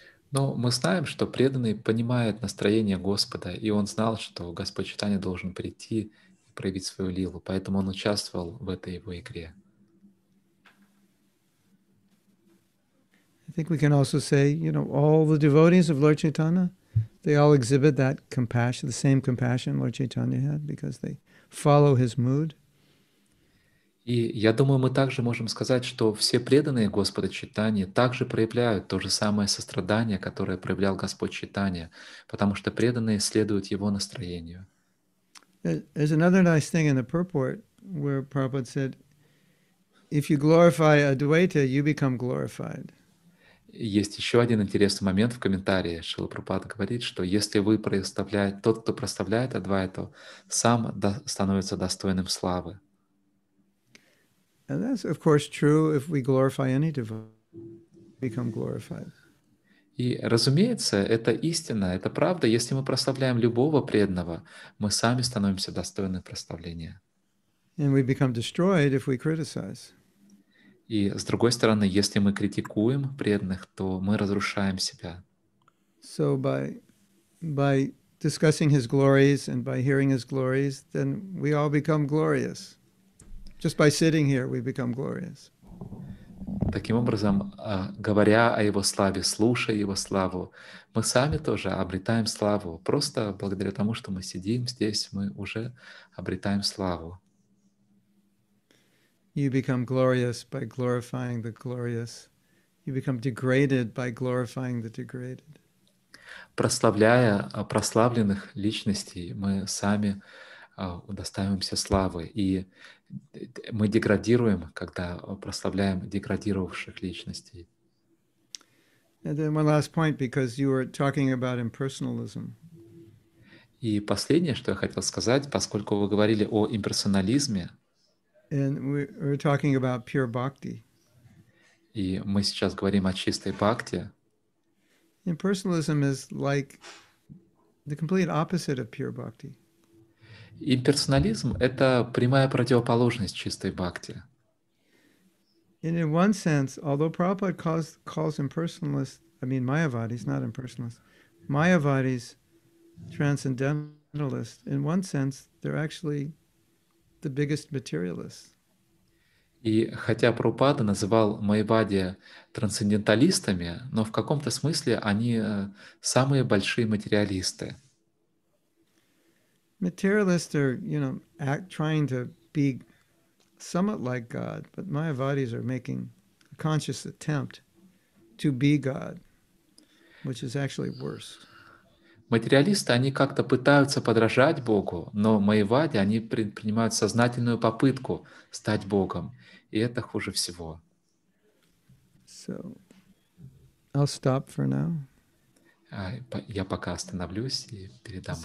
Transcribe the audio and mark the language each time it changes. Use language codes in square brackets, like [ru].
[ru] Но мы знаем, что преданный понимает настроение Господа, и он знал, что Господь Чайтанья должен прийти и проявить свою лилу, поэтому он участвовал в этой его игре. [en] I think we can also say, you know, all the devotees of Lord Chaitanya, they all exhibit that compassion, the same compassion Lord Chaitanya had, because they follow his mood. [ru] И я думаю, мы также можем сказать, что все преданные Господа Чайтаньи также проявляют то же самое сострадание, которое проявлял Господь Чайтанья, потому что преданные следуют его настроению. [en] There's another nice thing in the purport where Prabhupada said, if you glorify Advaita, you become glorified. [ru] Есть еще один интересный момент в комментарии. Шрила Прабхупада говорит, что если вы прославляете, тот, кто прославляет Адвайту, сам становится достойным славы. [en] And that's, of course, true if we glorify any devotee, become glorified. [ru] И, разумеется, это истина, это правда. Если мы прославляем любого преданного, мы сами становимся достойны прославления. [en] And we become destroyed if we criticize. [ru] И с другой стороны, если мы критикуем преданных, то мы разрушаем себя. [en] So by discussing his glories and by hearing his glories, then we all become glorious. Just by sitting here, we become glorious. [ru] Таким образом, говоря о его славе, слушая его славу, мы сами тоже обретаем славу. Просто благодаря тому, что мы сидим здесь, мы уже обретаем славу. [en] You become glorious by glorifying the glorious. You become degraded by glorifying the degraded. [ru] Прославляя прославленных личностей, мы сами удостаиваемся славы, и мы деградируем, когда прославляем деградировавших личностей. [en] And then one last point, because you were talking about impersonalism. [ru] И последнее, что я хотел сказать, поскольку вы говорили о имперсонализме. [en] And we're talking about pure bhakti. [ru] И мы сейчас говорим о чистой бхакти. [en] Impersonalism is like the complete opposite of pure bhakti. [ru] Имперсонализм — это прямая противоположность чистой бхакти. [en] And in one sense, although Prabhupada calls Mayavadis, not impersonalists, Mayavadis transcendentalists, in one sense, they're actually the biggest materialists. [ru] И хотя Прабхупада называл майявади трансценденталистами, но в каком-то смысле они самые большие материалисты. [en] Materialists are, you know, trying to be somewhat like God, but Mayavadis are making a conscious attempt to be God, which is actually worse. [ru] Материалисты, они как-то пытаются подражать Богу, но майявади, они предпринимают сознательную попытку стать Богом, и это хуже всего. [en] So, I'll stop for now. [ru] Я пока остановлюсь и передам вам.